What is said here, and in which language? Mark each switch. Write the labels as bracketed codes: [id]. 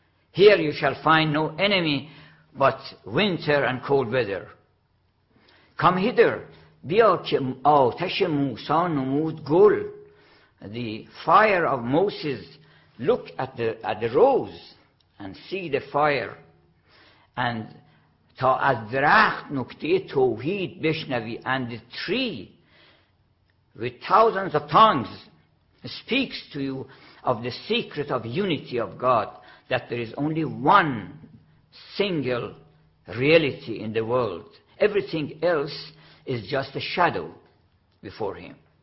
[en] Here you shall find no enemy but winter and cold weather. Come hither. [fa] بیا که آتش موسی نمود گل. [en] The fire of Moses. Look at the rose and see the fire. And [fa] تا از درخت نکته توحید بشنوی. [en] And the tree with thousands of tongues speaks to you of the secret of unity of God, that there is only one single reality in the world. Everything else is just a shadow before him.